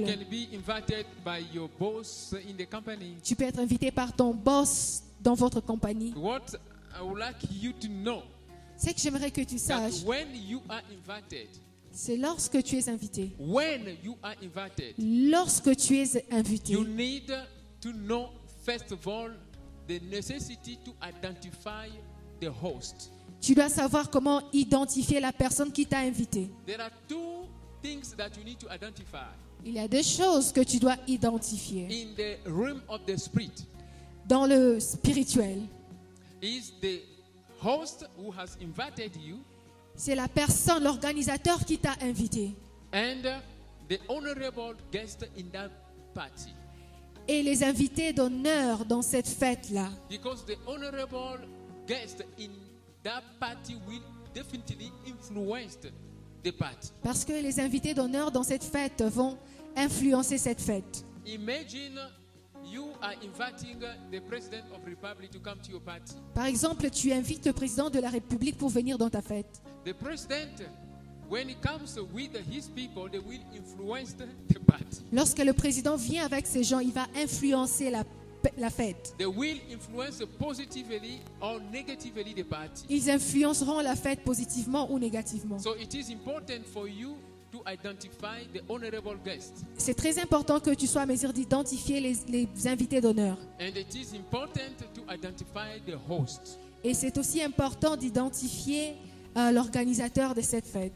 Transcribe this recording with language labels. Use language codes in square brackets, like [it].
[en] You can be invited by your boss in the company. [fr] Tu peux être invité par ton boss dans votre compagnie. [en] What I would like you to know, [fr] c'est que j'aimerais que tu saches [en] that when you are invited, [fr] c'est lorsque tu es invité. [en] When you are invited, [fr] lorsque tu es invité, [en] you need to know first of all the necessity to identify the host. [fr] Tu dois savoir comment identifier la personne qui t'a invité. [en] There are two things that you need to identify. [fr] Il y a deux choses que tu dois identifier. [en] In the realm of the spirit, [fr] dans le spirituel, [en] is the host who has invited you. [fr] C'est la personne, l'organisateur qui t'a invité. [en] And the honorable guest in that party. [fr] Et les invités d'honneur dans cette fête-là. [en] Because the honorable guest in that party will definitely influence the party. [fr] Parce que les invités d'honneur dans cette fête vont influencer cette fête. [en] Imagine you are inviting the president of the republic to come to your party. [fr] Par exemple, tu invites le président de la République pour venir dans ta fête. [en] The president, when he comes with his people, they will influence the party. [fr] Lorsque le président vient avec ses gens, il va influencer la fête. [en] They will influence positively or negatively the party. [fr] Ils influenceront la fête positivement ou négativement. [en] So it is important for you to identify the honorable guest. [fr] C'est très important que tu sois en mesure d'identifier les invités d'honneur. [en] And it is important to identify the host. [fr] Et c'est aussi important d'identifier l'organisateur de cette fête.